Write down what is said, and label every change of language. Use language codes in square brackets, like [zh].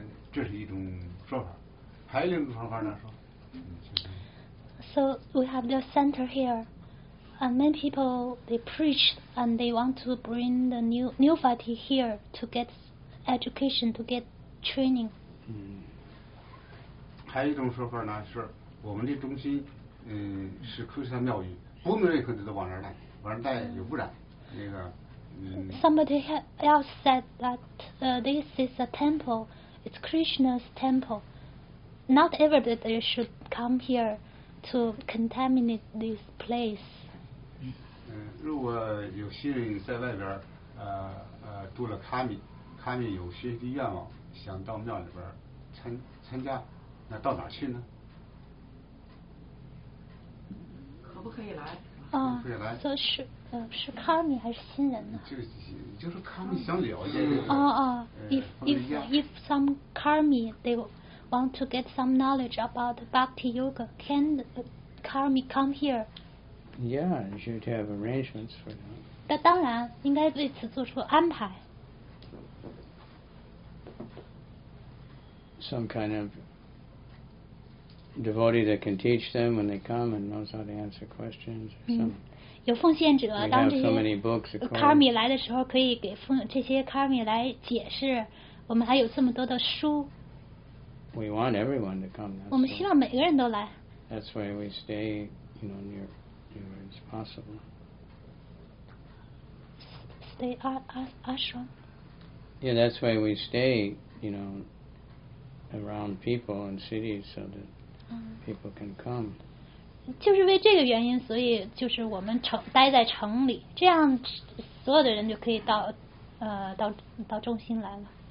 [zh] 这是一种说法，还有一种方法呢说。 [en] So we have the center here, and many people they preach and they want to bring the new party here to get education, to get training. [zh] 还有一种说法呢是，我们的中心是科学庙宇，不用任何的都往那儿带，往那儿带有污染，那个。 [en] Somebody else said that this is a temple. It's Krishna's temple. Not everybody should come here to contaminate this place. [zh] 如果有新人在外边住了卡米，卡米有学习的愿望，想到庙里边参加，那到哪去呢？可不可以来？这是卡米还是新人呢？就是卡米想了解这个。 [en] If some karmi they want to get some knowledge about bhakti yoga, can karmi come here? Yeah, you should have arrangements for them. [zh] 那当然，应该为此做出安排。 [en] Some kind of devotee that can teach them when they come and knows how to answer questions or something. [zh] 有奉献者，当这些卡米来的时候，可以给这些卡米来解释。我们还有这么多的书。 [en] We want everyone to come. [zh] 我们希望每个人都来。 [en] That's why we stay, you know, near as possible. Stay ashram. Yeah, that's why we stay, you know, around people in cities so that people can come. [zh] 就是为这个原因，所以就是我们待在城里，这样所有的人就可以到中心来了。